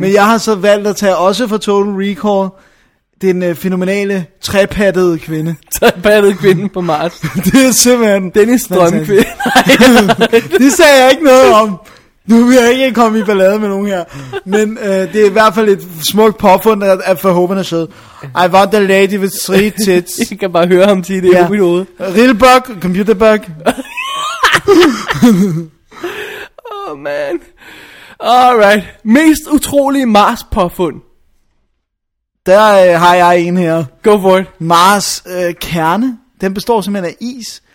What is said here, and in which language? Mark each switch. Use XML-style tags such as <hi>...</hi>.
<da>Men jeg har så valgt at tage også fra Total Recall den fænomenale trepattede kvinde. Trepattede kvinde på Mars. Det er simpelthen... Dennis drømkvinde. Det sagde jeg ikke noget om. Nu vil jeg ikke komme i ballade med nogen her. Men det er i hvert fald et smukt påfund, at forhåbentlig er sød.</da> <en>I want the lady with three tits.</en> <da>Jeg kan bare høre ham sige det i mit hoved.</da> <en>Real bug, computer bug. Oh man. Alright.</en> <da>Mest utrolige Mars påfund. Der har jeg en her.</da> <en>Go for it.</en> <da>Mars kerne, den består simpelthen af is.</da>